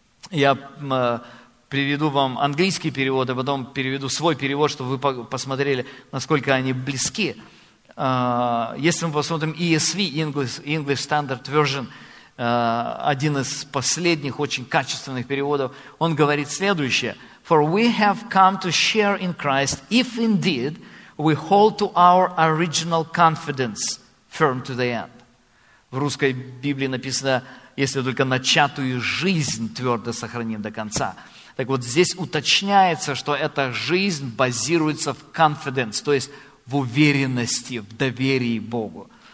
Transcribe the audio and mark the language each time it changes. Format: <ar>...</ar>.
<ru>Я приведу вам английский перевод, а потом переведу свой перевод, чтобы вы посмотрели, насколько они близки. Если мы посмотрим ESV, English Standard Version, один из последних очень качественных переводов, он говорит следующее.</ru> <en>For we have come to share in Christ, if indeed we hold to our original confidence firm to the end.</en> <ru>В русской Библии написано, если только начатую жизнь твердо сохраним до конца. Так вот, здесь уточняется, что эта жизнь базируется в confidence, то есть в уверенности, в доверии Богу.</ru>